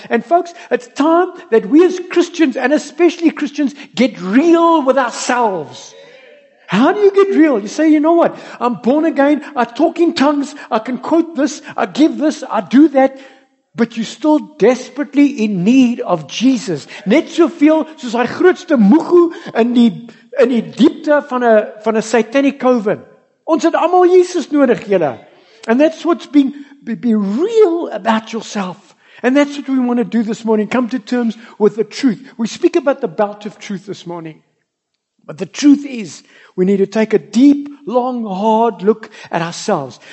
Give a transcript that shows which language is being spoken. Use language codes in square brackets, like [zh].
[en] And folks, it's time that we as Christians, and especially Christians, get real with ourselves. How do you get real? You say, you know what? I'm born again. I talk in tongues. I can quote this. I give this. I do that. But you're still desperately in need of Jesus. [af] Net soveel soos hy grootste moegoe in die diepte van 'n [en] satanic coven. [af] Ons het almal Jesus nodig, julle. [en] And that's what's being be real about yourself. And that's what we want to do this morning. Come to terms with the truth. We speak about the belt of truth this morning. But the truth is, we need to take a deep, long, hard look at ourselves.